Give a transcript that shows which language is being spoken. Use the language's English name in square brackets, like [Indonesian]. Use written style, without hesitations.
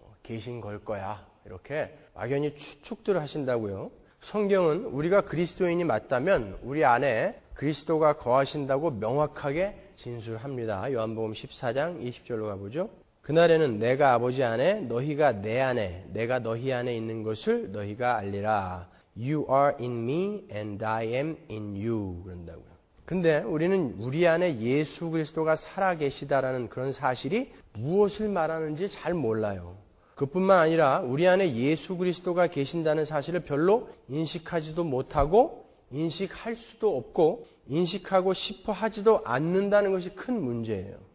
[Korean] 계신 걸 거야. 이렇게 막연히 추측들을 하신다고요. 성경은 우리가 그리스도인이 맞다면 우리 안에 그리스도가 거하신다고 명확하게 진술합니다. 요한복음 14장 20절로 가보죠. 그날에는 내가 아버지 안에, 너희가 내 안에, 내가 너희 안에 있는 것을 너희가 알리라. [English] You are in me and I am in you. [Korean] 그런다고요. 근데 우리는 우리 안에 예수 그리스도가 살아계시다라는 그런 사실이 무엇을 말하는지 잘 몰라요. 그뿐만 아니라 우리 안에 예수 그리스도가 계신다는 사실을 별로 인식하지도 못하고 인식할 수도 없고 인식하고 싶어 하지도 않는다는 것이 큰 문제예요.